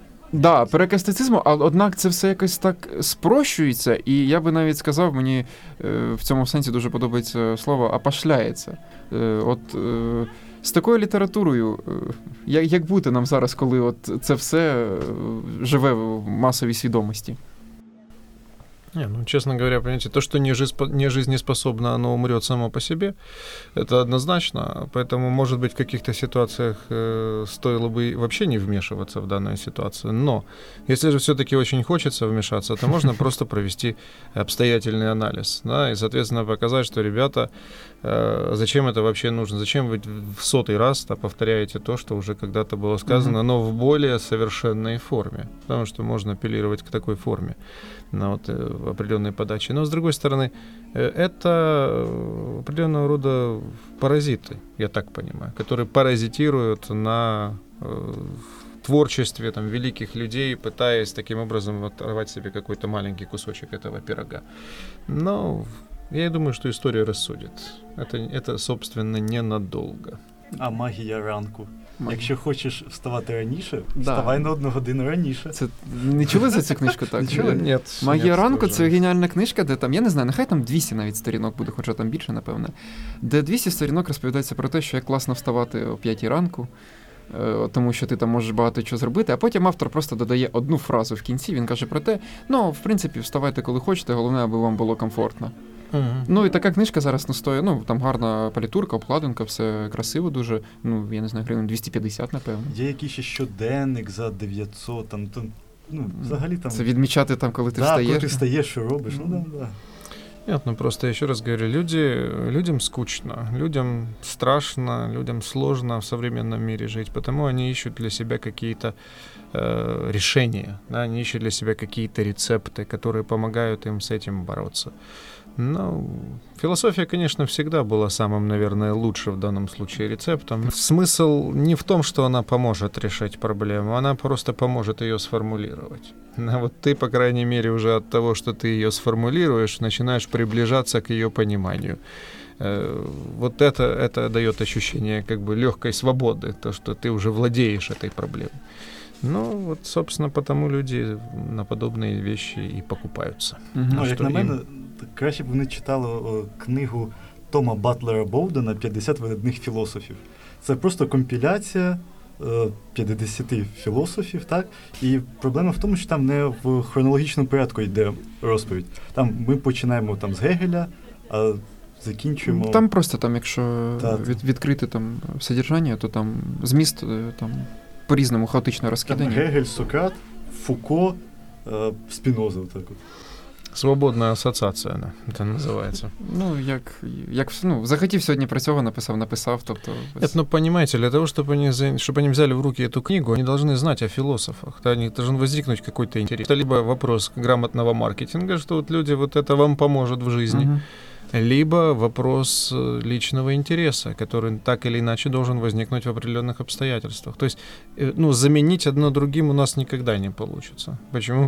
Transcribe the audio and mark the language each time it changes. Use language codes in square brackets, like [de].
[uk] Так, да, переказ стоїцизму, однак це все якось так спрощується, і я би навіть сказав, мені в цьому сенсі дуже подобається слово «опошляється». От з такою літературою, як бути нам зараз, коли от це все живе в масовій свідомості? [ru] Не, ну, чесно говоря, понимаете, то, что не жизнеспособно, оно умрет само по себе, это однозначно. Поэтому, может быть, в каких-то ситуациях стоило бы вообще не вмешиваться в данную ситуацию. Но если же все-таки очень хочется вмешаться, то можно просто провести обстоятельный анализ. Да, и, соответственно, показать, что, ребята, зачем это вообще нужно? Зачем вы в сотый раз повторяете то, что уже когда-то было сказано, но в более совершенной форме? Потому что можно апеллировать к такой форме. На вот определенной подаче. Но, с другой стороны, это определенного рода паразиты, я так понимаю, которые паразитируют на творчестве там, великих людей, пытаясь таким образом оторвать себе какой-то маленький кусочек этого пирога. Но я думаю, что история рассудит. Это собственно, ненадолго. [uk] А магия ранку? Магія. Якщо хочеш вставати раніше, да. Вставай на одну годину раніше. Це не чули за цю книжку, так? Не чули? Ні. «Магія ранку» – це геніальна книжка, де там, я не знаю, нехай там 200 навіть сторінок буде, хоча там більше, напевне. Де 200 сторінок розповідається про те, що як класно вставати о 5-й ранку, тому що ти там можеш багато чого зробити, а потім автор просто додає одну фразу в кінці, він каже про те, ну, в принципі, вставайте коли хочете, головне, аби вам було комфортно. Ну, і така книжка зараз не стоїть, ну, там гарна палітурка, обкладинка, все красиво дуже, ну, я не знаю, гривень 250, напевно. Є якийсь ще щоденник за 900, там, то, ну, взагалі там... Це відмічати там, коли ти встаєш. Так, коли ти встаєш, що робиш, ну, да. [ru] Нет, ну просто я еще раз говорю, людям скучно, людям страшно, людям сложно в современном мире жить, потому они ищут для себя какие-то решения, да, они ищут для себя какие-то рецепты, которые помогают им с этим бороться. Ну, философия, конечно, всегда была самым, наверное, лучшим в данном случае рецептом. Смысл не в том, что она поможет решать проблему, она просто поможет ее сформулировать. А вот ты, по крайней мере, уже от того, что ты ее сформулируешь, начинаешь приближаться к ее пониманию. Вот это дает ощущение как бы легкой свободы, то, что ты уже владеешь этой проблемой. Ну, вот, собственно, потому люди на подобные вещи и покупаются. [uk] Ну, як на мене, краще б вони читали книгу Тома Батлера Боудена «50 видатних філософів». Це просто компіляція 50 філософів, так? І проблема в тому, що там не в хронологічному порядку йде розповідь. Там ми починаємо там з Гегеля, а закінчуємо... Там просто, там, якщо відкрити там содержання, то там зміст там по-різному хаотично розкидані. Там Гегель, Сократ, Фуко, Спіноза, отак от. Свободна асоціація, не, це називається. Ну, як ну, захотів сьогодні про цього написав, тобто... [ru] Ну, понимаете, для того, чтобы они взяли в руки эту книгу, они должны знать о философах, да, они должны возникнуть какой-то интерес. Это либо вопрос грамотного маркетинга, что вот люди, вот это вам поможет в жизни, либо вопрос личного интереса, который так или иначе должен возникнуть в определенных обстоятельствах. То есть, ну, заменить одно другим у нас никогда не получится. Почему?